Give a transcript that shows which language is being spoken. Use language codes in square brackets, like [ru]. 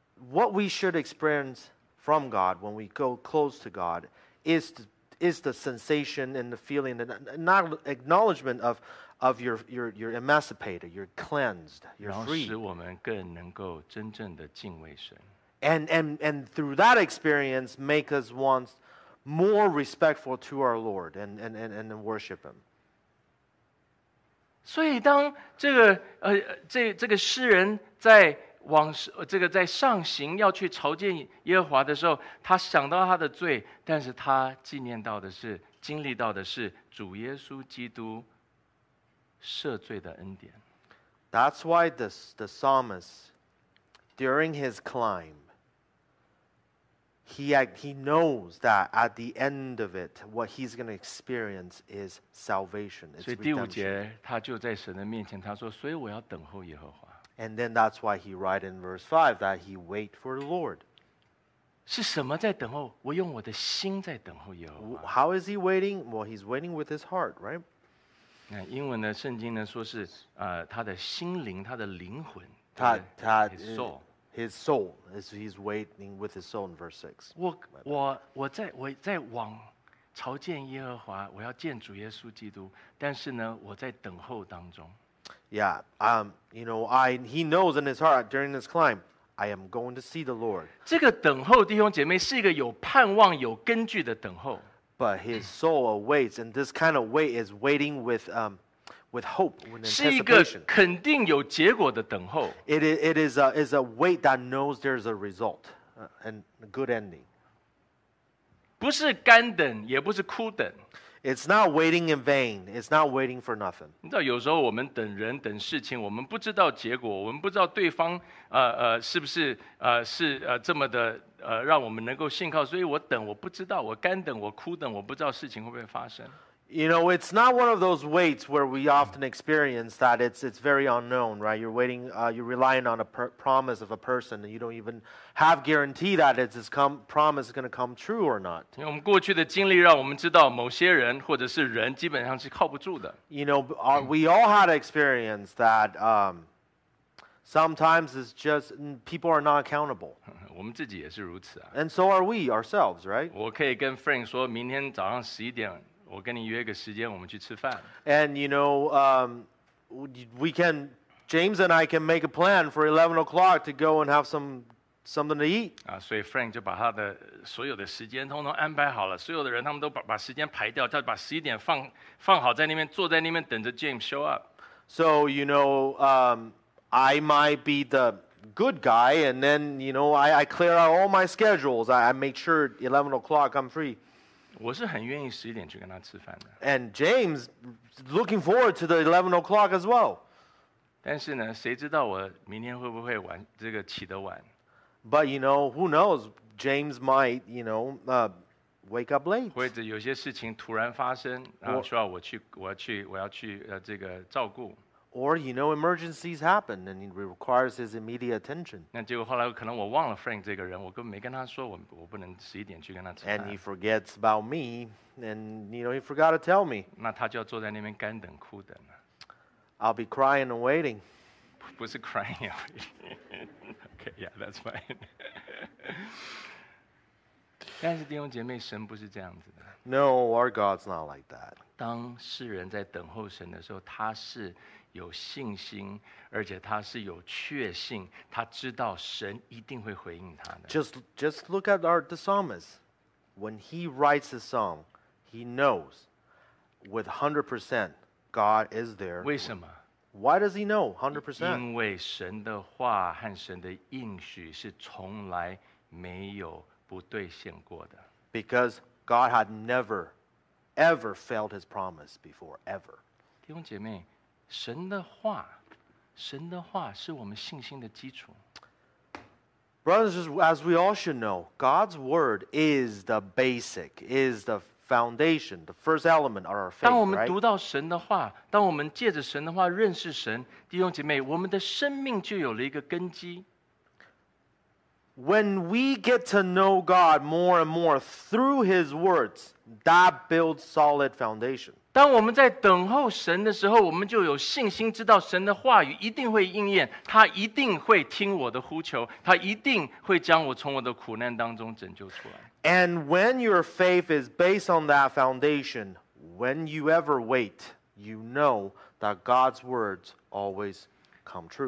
[en] What we should experience from God when we go close to God is the sensation and the feeling and not acknowledgement of your emancipated, you're cleansed, you're free. [zh] 然后使我们更能够真正的敬畏神。 [en] And through that experience, make us want more respectful to our Lord and worship Him. [zh] 所以当这个这个诗人在往这个在上行要去朝见耶和华的时候，他想到他的罪，但是他纪念到的是经历到的是主耶稣基督赦罪的恩典。 [en] That's why the psalmist during his climb. He knows that at the end of it, what he's going to experience is salvation. It's redemption. [zh] 所以第五节，他就在神的面前，他说：“所以我要等候耶和华。” [en] And then that's why he write in verse 5 that he wait for the Lord. [zh] 是什么在等候？我用我的心在等候耶和华。 [en] How is he waiting? Well, he's waiting with his heart, right? [zh] 那英文的圣经呢？说是他的心灵，他的灵魂，他 [en] his soul. His soul is he's waiting with his soul in verse 6. [zh] 我在往朝见耶和华，我要见主耶稣基督。但是呢，我在等候当中。 [en] Yeah, you know, he knows in his heart during this climb, I am going to see the Lord. [zh] 这个等候，弟兄姐妹，是一个有盼望、有根据的等候。 [en] But his soul awaits, and this kind of wait is waiting with hope, with anticipation. [zh] 是一个肯定有结果的等候。 [en] It is a wait that knows there's a result, and a good ending. [zh] 不是干等，也不是枯等。 [en] It's not waiting in vain. It's not waiting for nothing. [zh] 你知道，有时候我们等人、等事情，我们不知道结果，我们不知道对方是不是是这么的让我们能够信靠。所以我等，我不知道，我干等，我枯等，我不知道事情会不会发生。 [en] You know, it's not one of those waits where we often experience that it's very unknown, right? You're waiting, you're relying on a promise of a person, and you don't even have guarantee that it's come promise is going to come true or not. [zh] 因为我们过去的经历让我们知道，某些人或者是人基本上是靠不住的。 [en] You know, we all had experience that sometimes it's just people are not accountable. [zh] 我们自己也是如此啊。 [en] And so are we ourselves, right? [zh] 我可以跟 Frank 说，明天早上十一点。我跟你约个时间，我们去吃饭。 [en] And you know, we can, James and I can make a plan for 11 o'clock to go and have something to eat. [zh] 啊，所以 Frank 就把他的所有的时间通通安排好了，所有的人他们都把时间排掉，他把十一点放好在那边，坐在那边等着 James [en] show up. So you know, I might be the good guy, and then you know, I clear out all my schedules. I make sure 11 o'clock I'm free. [zh] 我是很愿意十一点去跟他吃饭的。 [en] And James, looking forward to the 11 o'clock as well. [zh] 但是呢，谁知道我明天会不会晚这个起得晚 [en] ？But you know, who knows? James might, you know, wake up late. [zh] 或者有些事情突然发生，然后需要我去，我要去这个照顾。 [en] Or you know, emergencies happen and it requires his immediate attention. [zh] 那结果后来可能我忘了 Frank 这个人，我根本没跟他说我不能十一点去跟他吃饭。 [en] And he forgets about me, and you know he forgot to tell me. [zh] 那他就要坐在那边干等哭等了。 [en] I'll be crying and waiting. [zh] 不是 [en] crying and waiting. Okay, yeah, that's fine. [zh] 但是弟兄姐妹，神不是这样子的。 [en] No, our God's not like that. [zh] 当世人在等候神的时候，他是。有信心，而且他是有确信，他知道神一定会回应他的。 [en] Just look at our the psalmist. When he writes a song, he knows with 100% God is there. [zh] 为什么？ [en] Why does he know 100%? [zh] 因为神的话和神的应许是从来没有不兑现过的。 [en] Because God had never, ever failed his promise before, ever. [zh] 弟兄姐妹。神的话，神的话是我们信心的基础。 [en] Brothers, as we all should know, God's word is the basic, is the foundation, the first element of our faith. [zh] 当我们读到神的话，当我们借着神的话认识神，弟兄姐妹，我们的生命就有了一个根基。 [en] When we get to know God more and more through His words, that builds solid foundation. [zh] 当我们在等候神的时候，我们就有信心知道神的话语一定会应验，他一定会听我的呼求，他一定会将我从我的苦难当中拯救出来。 [en] And when your faith is based on that foundation, when you ever wait, you know that God's words always come true.